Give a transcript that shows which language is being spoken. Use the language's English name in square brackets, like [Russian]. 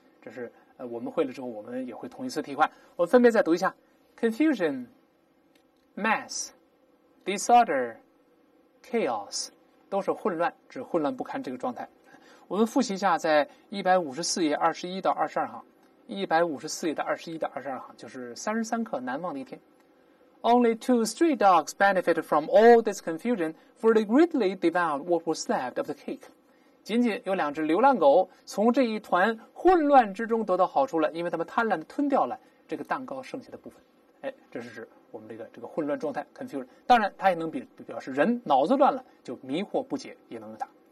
[Chinese] 这是我们会了之后我们也会同一次替换，我分别再读一下 [English] confusion mass disorder chaos [Chinese] 都是混乱，指混乱不堪这个状态。我们复习一下，在154页21到22行，154页的21到22行，就是33课难忘的一天。 [English] Only two stray dogs benefited from all this confusion, for they greatly devoured what was left of the cake. [Chinese] 仅仅有两只流浪狗从这一团混乱之中得到好处了，因为他们贪婪地吞掉了这个蛋糕剩下的部分。哎，这是指我们这个混乱状态 confusion。当然，它也能表示人脑子乱了，就迷惑不解也能用它。